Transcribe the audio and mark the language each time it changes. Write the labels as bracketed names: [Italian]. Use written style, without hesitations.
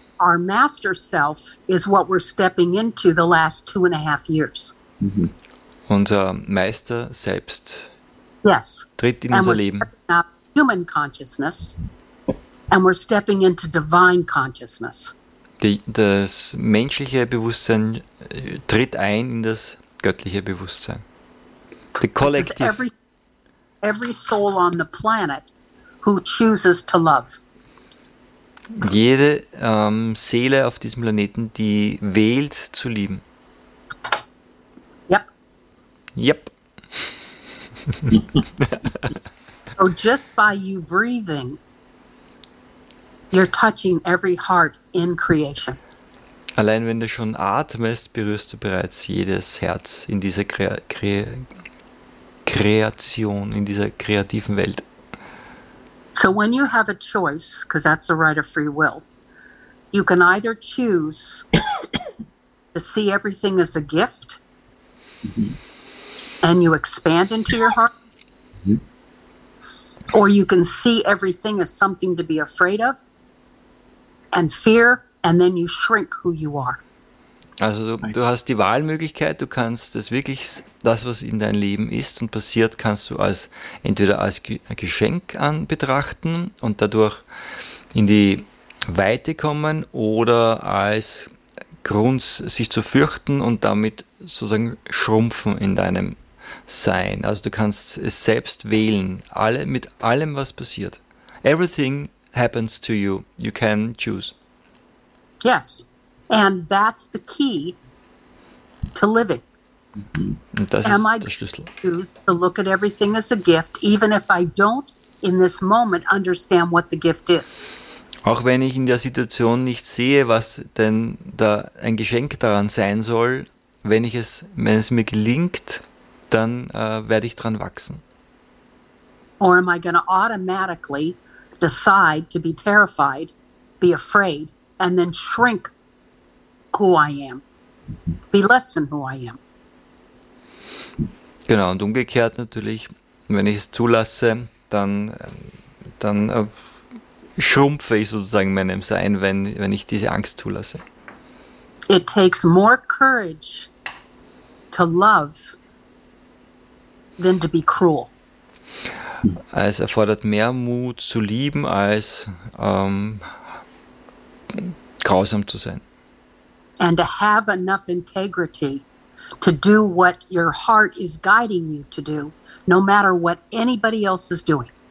[English] Our master self is what we're stepping into the last 2.5 years. Mm-hmm. [German] unser Meister selbst [English] yes. [German] tritt in and unser Leben. [English] Human consciousness and we're stepping into divine consciousness. [German] Das menschliche Bewusstsein tritt ein in das göttliche Bewusstsein. [English] The collective. Every soul on the planet who chooses to love. [German] Jede Seele auf diesem Planeten, die wählt zu lieben. [English] Yep. Yep. So just by you breathing, you're touching every heart in creation. [German] Allein wenn du schon atmest, berührst du bereits jedes Herz in dieser Kreation, in dieser kreativen Welt. [English] So when you have a choice, because that's the right of free will, you can either choose to see everything as a gift, mm-hmm. and you expand into your heart, mm-hmm. or you can see everything as something to be afraid of, and fear, and then you shrink who you are. [German] Also du hast die Wahlmöglichkeit, du kannst das wirklich, das was in deinem Leben ist und passiert, kannst du als entweder als Geschenk betrachten und dadurch in die Weite kommen oder als Grund sich zu fürchten und damit sozusagen schrumpfen in deinem Sein. Also du kannst es selbst wählen, alle mit allem was passiert. [English] Everything happens to you. You can choose. Yes. And that's the key to living. Mm-hmm. Am I going to choose to look at everything as a gift, even if I don't in this moment understand what the gift is? [German] Auch wenn ich in der Situation nicht sehe, was denn da ein Geschenk daran sein soll, wenn es mir gelingt, dann werde ich dran wachsen. [English] Or am I going to automatically decide to be terrified, be afraid, and then shrink who I am, be less than who I am. [German] Genau, und umgekehrt natürlich, wenn ich es zulasse, dann schrumpfe ich sozusagen meinem Sein, wenn ich diese Angst zulasse. [English] It takes more courage to love than to be cruel. [German] Es erfordert mehr Mut zu lieben, als grausam zu sein. [English] And to have enough integrity to do what your heart is guiding you to do, no matter what anybody else is doing.